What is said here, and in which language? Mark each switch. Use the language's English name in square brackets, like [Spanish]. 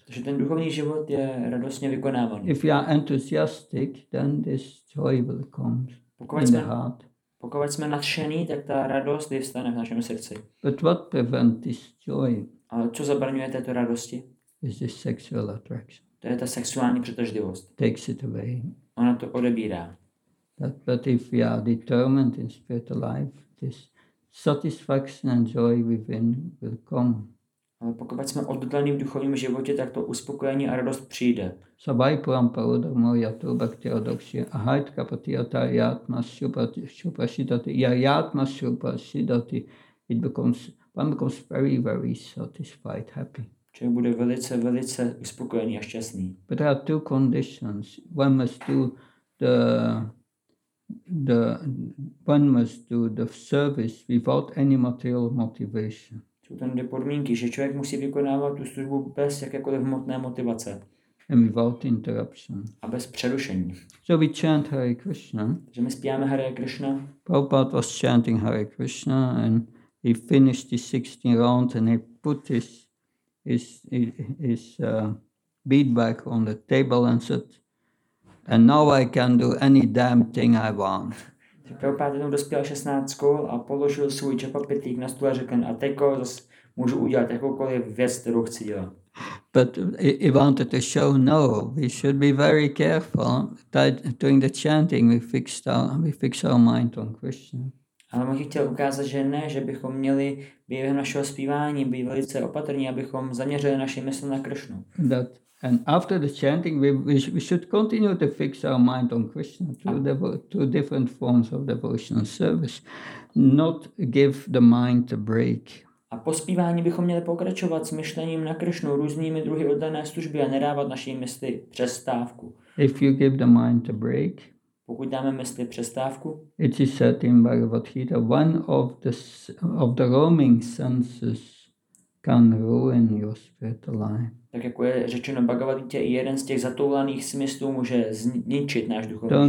[Czech] Takže ten duchovní život je radostně vykonávaný. [English] If you are enthusiastic, then this joy will come in the heart. [Czech] Pokud jsme nadšení, tak ta radost vyvstane v našem srdci. [English] But what prevents this joy? [Czech] Ale co zabraňuje této radosti? [English] Is this sexual attraction. [Czech] To je ta sexuální přitažlivost. [English] Takes it away. [Czech] Ona to odebírá. [English] But if we are determined in spiritual life, this satisfaction and joy within will come. [Czech] Ale pokud jsme oddaleni v duchovním životě, tak to uspokojení a radost přijde. [Sanskrit] Sabai pram parodak mo yatu bakti adoksi ahait kapati ata yatma shupashidati ya yatma shupashidati [English] it becomes one becomes very very satisfied happy. [Czech] Člověk bude velice, velice uspokojený a šťastný. [English] But there are two conditions. One must do the service without any material motivation. [Czech] Jsou tam dvě podmínky, že člověk musí vykonávat tu službu bez jakékoliv hmotné motivace. [English] And without interruption. [Czech] A bez přerušení. [English] So we chant Hare Krishna. [Czech] Že my zpíváme Hare Krishna. [English] Prabhupada was chanting Hare Krishna and he finished his 16 rounds and he put his beadback on the table and said, and now I can do any damn thing I want. [Czech] Prabhupada jenom dospěl 16 kol a položil svůj japa pitlík na stůl a řekl, a teďko zase můžu udělat jakoukoliv věc, kterou chci dělat. [English] But he wanted to show, no, we should be very careful that during the chanting we fix our mind on Krishna. [Czech] Ale on chtěl ukázat, že ne, že bychom měli během našeho zpívání být velice opatrní, abychom zaměřili naši mysl na Krishnu. [English] That and after the chanting we should continue to fix our mind on Krishna through different forms of devotional service, not give the mind a break. [Czech] A po zpívání bychom měli pokračovat s myšlením na Krishnu různými druhy oddané služby a nedávat naší mysli přestávku. [English] If you give the mind a break, [Czech] pokud dáme mysli přestávku, [English] it is said in Bhagavad Gita, one of the roaming senses can ruin your spiritual life. [Czech] Tak jako je řečeno Bhagavad Gita, i jeden z těch zatoulaných smyslů může zničit náš duchovní život.